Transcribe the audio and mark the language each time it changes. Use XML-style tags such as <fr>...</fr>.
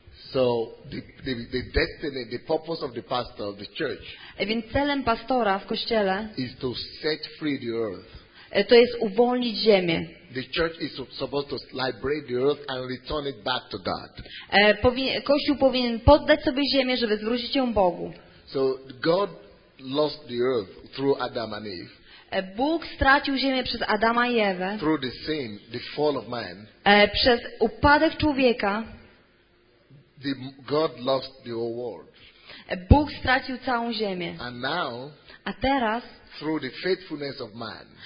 <en>So the destiny, the purpose of the pastor of the church.</en> <pl>Więc celem pastora w kościele.</pl> <en>Is to set free the earth.</en> <pl>To jest uwolnić ziemię.</pl> <en>The church is supposed to liberate the earth and return it back to God.</en> <pl>Kościół powinien poddać sobie ziemię, żeby zwrócić ją Bogu.</pl> <en>So God lost the earth through Adam and Eve.</en> <pl>Bóg stracił ziemię przez Adama i Ewę.</pl> <en>Through the sin, the fall of man.</en> <pl>Przez upadek człowieka.</pl> <en>God lost the whole world.</en> <pl>Bóg stracił całą ziemię.</pl> <en>And now,</en> <pl>a teraz.</pl> <en>Through the faithfulness of man.</en>